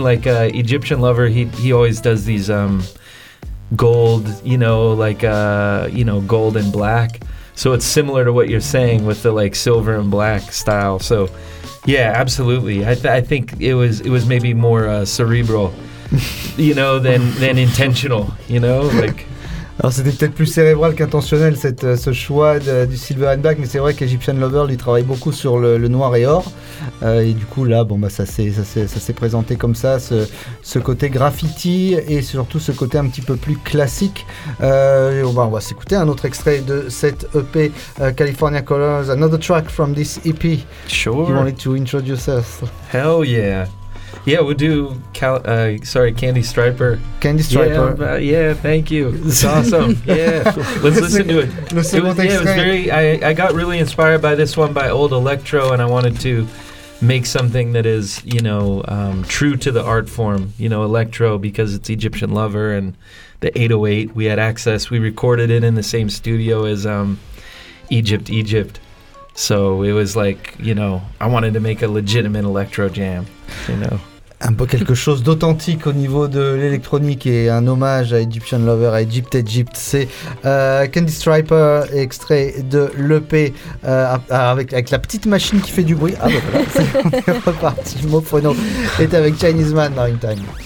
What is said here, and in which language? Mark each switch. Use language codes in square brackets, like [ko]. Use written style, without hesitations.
[en] Like Egyptian Lover, he always does these gold, you know, gold and black. So it's similar to what you're saying with the like silver and black style. So yeah, absolutely. I think it was maybe more cerebral, you know, than intentional, you know, like. [fr] Alors c'était peut-être plus cérébral qu'intentionnel ce choix du Silver and Black, mais c'est vrai qu'Egyptian Lover lui travaille beaucoup sur le noir et or, et du coup là ça s'est présenté comme ça, ce côté graffiti et surtout ce côté un petit peu plus classique. On va s'écouter un autre extrait de cette EP, California Colors, [en] another track from this EP. Sure. You wanted to introduce us. Hell yeah. Yeah, we'll do Candy Striper. Candy Striper. Yeah, thank you. It's awesome. Yeah. Let's listen to it. I got really inspired by this one by Old Electro, and I wanted to make something that is, you know, true to the art form, you know, Electro, because it's Egyptian Lover and the 808. We had access. We recorded it in the same studio as Egypt. So it was like, you know, I wanted to make a legitimate electro jam, you know. [fr] Un peu quelque chose d'authentique au niveau de l'électronique et un hommage à Egyptian Lover, à Egypt, c'est Candy Striper, extrait de l'EP avec la petite machine qui fait du bruit. Ah bah voilà, on est reparti, Mofono est avec Chinese Man dans une time.